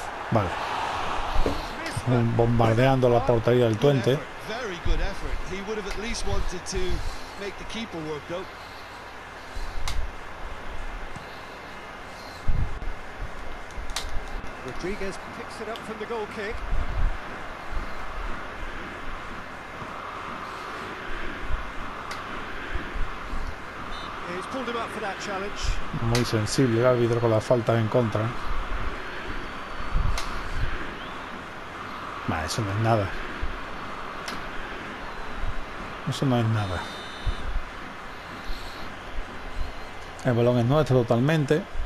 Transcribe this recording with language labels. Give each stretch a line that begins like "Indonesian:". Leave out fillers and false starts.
Spanish: Vale. Bombardeando la portería del Twente.
English: He would have at least wanted to make the keeper work though. Rodriguez picks it up from the goal kick. He's pulled him up for that challenge.
Spanish: Muy sensible el árbitro con la falta en contra. Bah, eso no es nada. Eso no es nada. El balón es nuestro totalmente.